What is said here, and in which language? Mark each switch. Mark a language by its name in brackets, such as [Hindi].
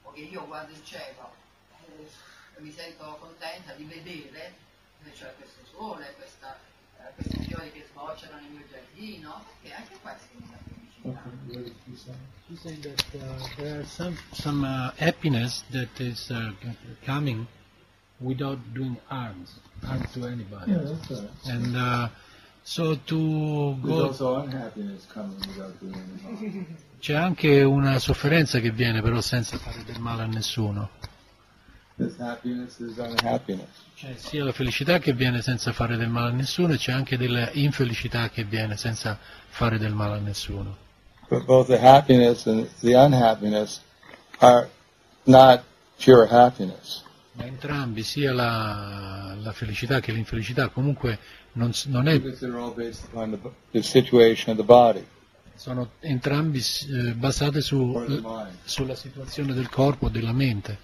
[Italian] Io guardo il cielo e mi sento contenta di vedere, cioè, questo sole, questi fiori che sbocciano nel mio giardino, e anche questo mi dà felicità. [English] Okay. She said that there are some happiness that is coming without doing harm to anybody. Yeah, that's right. And so to go. Also unhappiness coming without doing harm. [Italian] C'è anche una sofferenza che viene però senza fare del male a nessuno. [English] This happiness is unhappiness. [Italian] C'è sia la felicità che viene senza fare del male a nessuno e c'è anche dell'infelicità che viene senza fare del male a nessuno. [English] But both the happiness and the unhappiness are not pure happiness. [Italian] Ma entrambi, sia la felicità che l'infelicità, comunque non è. [English] Because they're all based upon the situation of the body. [Italian] Sono entrambi basate sulla situazione del corpo o della mente.